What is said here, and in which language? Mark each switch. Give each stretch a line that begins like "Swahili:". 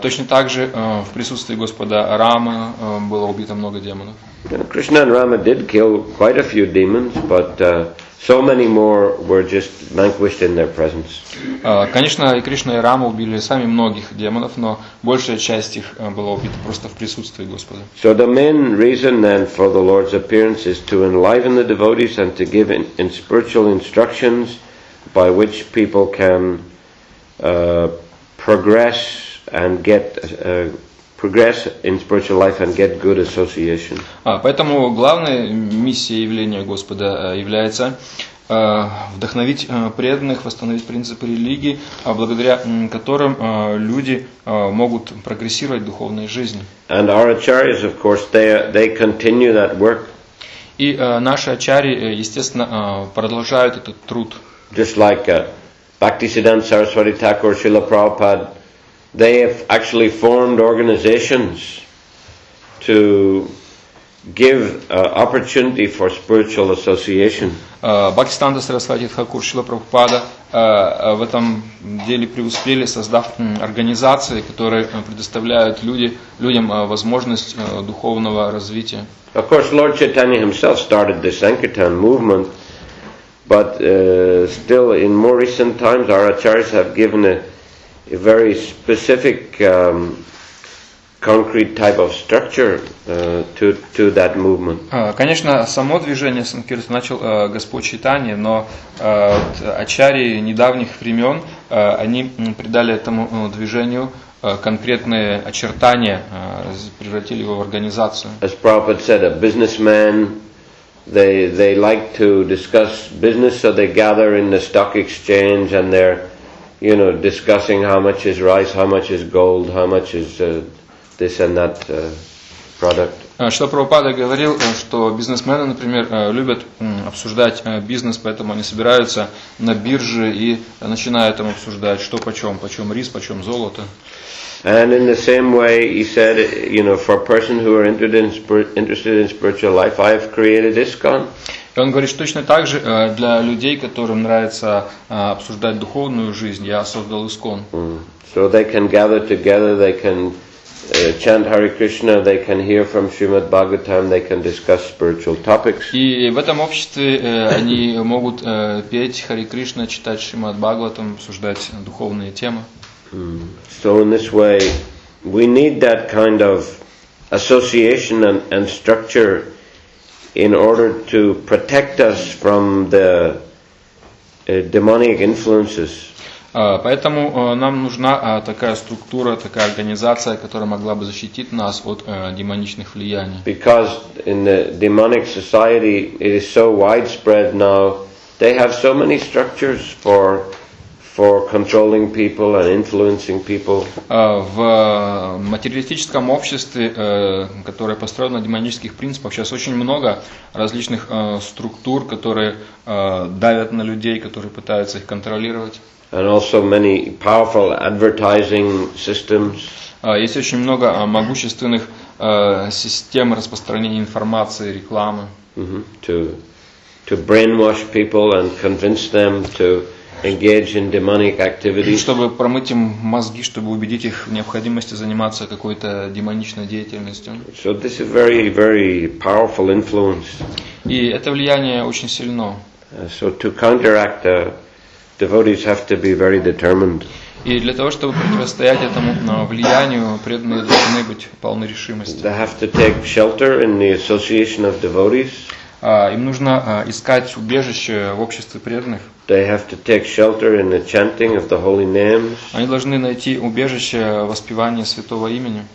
Russian: Точно так же в присутствии Господа Рама было убито много демонов.
English: Krishna and Rama did kill quite a few demons, but so many more were just vanquished in their presence.
Russian: Конечно, и Кришна, и Рама убили сами многих демонов, но большая часть их была убита просто в присутствии Господа.
English: So the main reason then for the Lord's appearance is to enliven the devotees and to give in spiritual instructions by which people can progress and get progress in spiritual life and get good association.
Russian: Поэтому главной миссией явления Господа является вдохновить преданных, восстановить принципы религии, благодаря которым люди могут прогрессировать в духовной жизни.
English: And our acharyas, of course, they continue that work.
Russian: И наши ачари, естественно, продолжают этот труд.
English: Just like Bhaktisiddhanta Saraswati Thakur, Srila Prabhupada, they have actually formed organizations to give opportunity for spiritual association.
Russian: Бхактисиддханта Сарасвати Тхакур, Шрила Прабхупада в этом деле преуспели, создав организации, которые предоставляют людям возможность духовного развития.
English: Of course, Lord Chaitanya himself started the Sankirtan movement, but still in more recent times our acharyas have given a very specific concrete type of structure to that movement.
Russian: Конечно, само движение Санкирт начал Господь Чайтанья, но ачари недавних времен они придали этому движению конкретные очертания, превратили его в организацию.
English: As Prabhupada said, a businessman, they like to discuss business, so they gather in the stock exchange and they're, you know, discussing how much is rice, how much is gold, how much is this and that product.
Russian: Шрила Прабхупада говорил, что бизнесмены, например, любят обсуждать бизнес, поэтому они собираются на бирже и начинают там обсуждать, что почем рис, почем золото.
English: And in the same way, he said, you know, for persons who are interested in spiritual life, I have created ISKCON.
Russian: Он говорит, что точно так же для людей, которым нравится обсуждать духовную жизнь, я создал ИСКОН. Mm.
English: So they can gather together, they can chant Hare Krishna, they can hear from Srimad Bhagavatam, they can discuss spiritual topics.
Russian: И в этом обществе они могут петь Hare Krishna, читать Srimad Bhagavatam, обсуждать духовные темы. Mm.
English: So in this way, we need that kind of association and structure in order to protect us from the demonic influences.
Russian: Поэтому нам нужна такая структура, такая организация, которая могла бы защитить нас от демоничных влияний.
English: Because in the demonic society it is so widespread now, they have so many structures for controlling people and influencing people.
Russian: В материалистическом обществе, которое построено на демонических принципах, сейчас очень много различных структур, которые давят на людей, которые пытаются их контролировать.
English: And also many powerful advertising systems.
Russian: Есть очень много могущественных систем распространения информации, рекламы. Mm-hmm.
English: To brainwash people and convince them to engage in demonic activity.
Russian: Чтобы промыть им мозги, чтобы убедить их в необходимости заниматься какой-то демоничной деятельностью.
English: So this is very, very powerful influence.
Russian: И это влияние очень сильно.
English: So to counteract, devotees have to be very determined.
Russian: И для того, чтобы противостоять этому влиянию, преданные должны быть полны решимости.
English: They have to take shelter in the association of devotees.
Russian: Им нужно искать убежище в обществе преданных.
English: They have to take shelter in the chanting of the holy names.
Russian: Они должны найти убежище в воспевании святого имени.